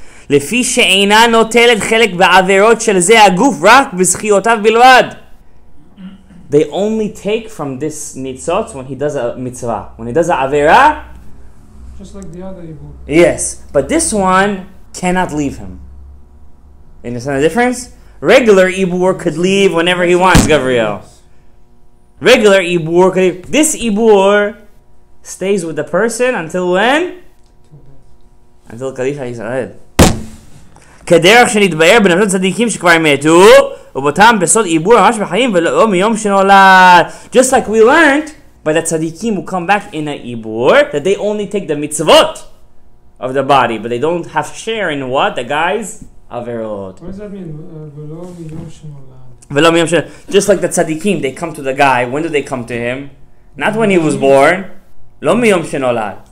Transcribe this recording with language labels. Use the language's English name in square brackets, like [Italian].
[Hebrew] לפי שאינה נוטלת חלק בעבירות של זה הגוף רק בזכיותיו בלבד. [English] they only take from this nitzot when he does a mitzvah. When he does a avera, just like the other evil. Yes, but this one cannot leave him. You understand the difference? Regular ibur could leave whenever he wants, Gabriel. Regular ibur could leave. This ibur stays with the person until when? Until Kalifa Yisrael. [Hebrew] כדרך שנתבאר בנפשות צדיקים שכבר מתו, ובאותם בסוד עיבור ממש בחיים ולא מיום שנולד. [English] Just like we learned, by the צדיקים who come back in the עיבור, that they only take the mitzvot of the body, but they don't have share in what? The guys? Averot. What does that mean? [Hebrew] ולא מיום שנולד. ולא מיום שנולד. [English] Just like the צדיקים, they come to the guy. When do they come to him? Not when he was born. [Hebrew] לא מיום שנולד.